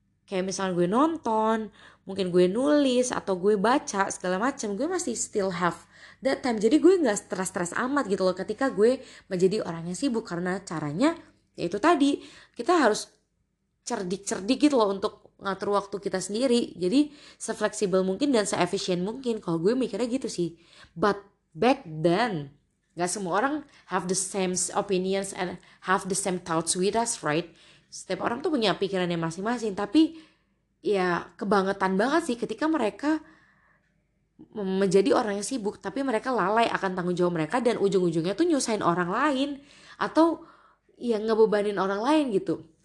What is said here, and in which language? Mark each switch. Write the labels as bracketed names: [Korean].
[Indonesian] Kayak misalnya gue nonton, mungkin gue nulis atau gue baca segala macam, gue masih [English] still have that time. [Indonesian] Jadi gue enggak stres-stres amat gitu loh ketika gue menjadi orang yang sibuk karena caranya yaitu tadi kita harus cerdik-cerdik gitu loh untuk ngatur waktu kita sendiri. Jadi sefleksibel mungkin dan seefisien mungkin. Kalau gue mikirnya gitu sih. [English] But back then, [Indonesian] gak semua orang [English] have the same opinions and have the same thoughts with us, right? [Indonesian] Setiap orang tuh punya pikirannya masing-masing. Tapi ya kebangetan banget sih ketika mereka menjadi orang yang sibuk, tapi mereka lalai akan tanggung jawab mereka dan ujung-ujungnya tuh nyusahin orang lain atau ya ngebebanin orang lain gitu.